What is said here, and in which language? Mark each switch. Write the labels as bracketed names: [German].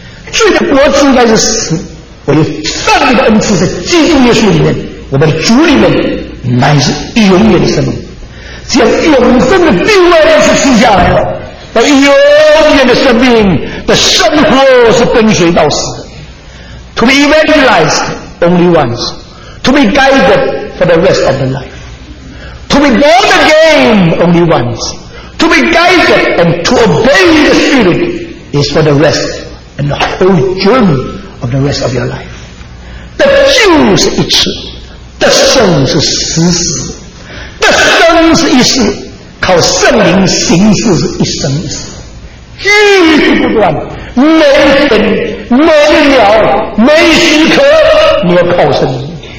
[Chinese] 罪的果子应该是死，我有上帝的恩赐，在基督耶稣里面，我们的主里面，乃是永远的生命。只要永生的地位是赐下来了，那永远的生命的生活是跟随到死的。 [English] To be evangelized only once, to be guided for the rest of the life, to be born again only once, to be guided and to obey the Spirit is for the rest and the whole journey of the rest of your life. [Chinese] 得救是一次，得胜是死死。得生是一世，靠圣灵行事是一生一世，继续不断，每分每秒每时刻你要靠圣灵。